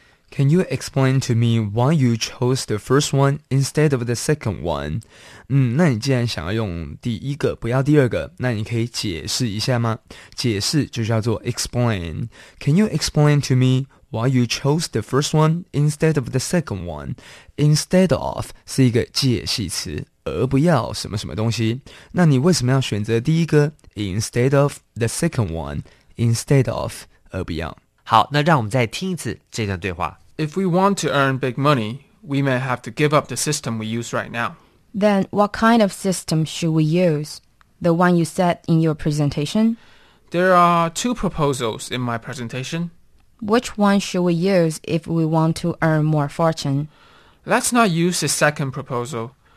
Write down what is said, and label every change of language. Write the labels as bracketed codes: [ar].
[en] Can you explain to me why you chose the first one instead of the second one? [zh] 嗯，那你既然想要用第一个，不要第二个，那你可以解释一下吗？解释就叫做 explain. [en] Can you explain to me why you chose the first one instead of the second one? [zh] Instead of 是一个介系词，而不要什么什么东西。那你为什么要选择第一个 [en] instead of the second one? [zh] Instead of 而不要。好，那让我们再听一次这段对话。 [en] If we want to earn big money, we may have to give up the system we use right now. Then what kind of system should we use? The one you said in your presentation? There are two proposals in my presentation. Which one should we use if we want to earn more fortune? Let's not use the second proposal.